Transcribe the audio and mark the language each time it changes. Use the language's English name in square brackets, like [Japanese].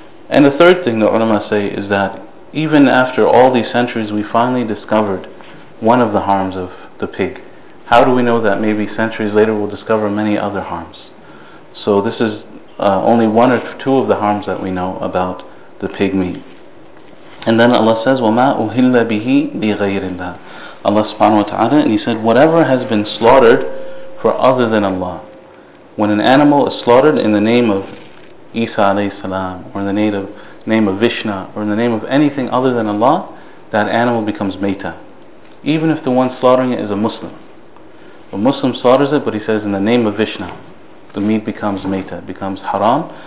[English] And the third thing the ulama say is that even after all these centuries, we finally discovered one of the harms of the pig. How do we know that maybe centuries later we'll discover many other harms? So this is only one or two of the harms that we know about the pig meat. And then Allah says, [Arabic] وَمَا أُهِلَّ بِهِ لِغَيْرِ اللَّهِ. [English] Allah subhanahu wa ta'ala, and He said, whatever has been slaughtered for other than Allah. When an animal is slaughtered in the name of Isa alayhi salam, or in the name of Vishnu, or in the name of anything other than Allah, that animal becomes meta. Even if the one slaughtering it is a Muslim. A Muslim slaughters it, but he says in the name of Vishnu, the meat becomes meta, becomes haram.